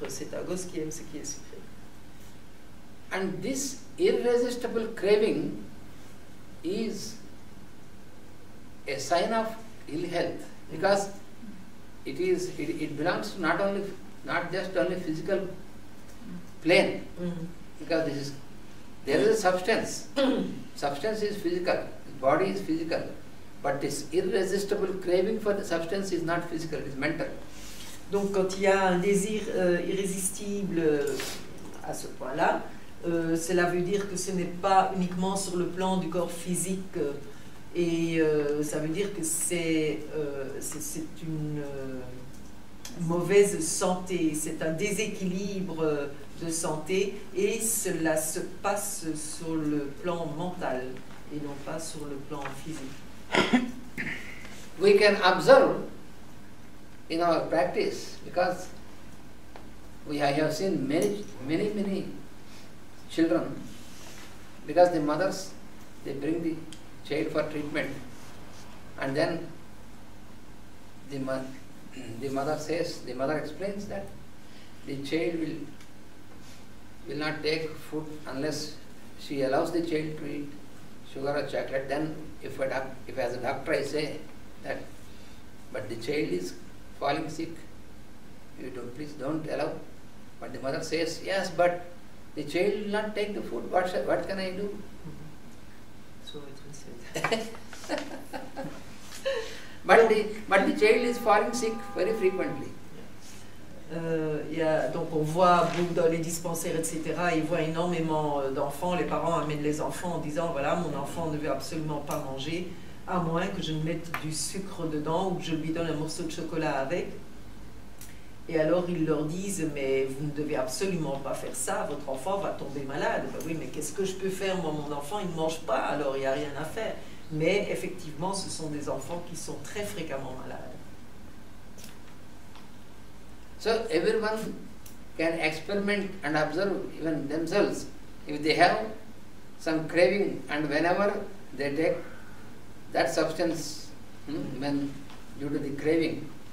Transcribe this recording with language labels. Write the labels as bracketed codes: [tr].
[fr] C'est un gosse qui aime ce qui est sucré. [en] And this irresistible craving is a sign of ill health, because it belongs not just only physical plane, because this is, there is a substance. Substance is physical, body is physical, but this irresistible craving for the substance is not physical, it's mental. [fr] Donc quand il y a un désir irrésistible à ce point-là, cela veut dire que ce n'est pas uniquement sur le plan du corps physique, et ça veut dire que c'est une mauvaise santé, c'est un déséquilibre de santé, et cela se passe sur le plan mental et non pas sur le plan physique. [en] We can observe in our practice, because we have seen many children, because the mothers, they bring the child for treatment, and then the mother explains that the child will not take food unless she allows the child to eat sugar or chocolate. Then if as a doctor I say that, but the child is falling sick, please don't allow. But the mother says, yes, but the child will not take the food, what can I do? Mm-hmm. So it will say. But the child is falling sick very frequently. [fr] Donc on voit beaucoup dans les dispensaires, etc., ils voient énormément d'enfants, les parents amènent les enfants en disant, voilà, mon enfant ne veut absolument pas manger, à moins que je ne mette du sucre dedans ou que je lui donne un morceau de chocolat avec. Et alors ils leur disent, mais vous ne devez absolument pas faire ça, votre enfant va tomber malade. Ben oui, mais qu'est-ce que je peux faire, moi, mon enfant, il ne mange pas, alors il n'y a rien à faire. Mais effectivement, ce sont des enfants qui sont très fréquemment malades. [en] So everyone can experiment and observe even themselves. If they have some craving and whenever they take that substance, when due to the craving,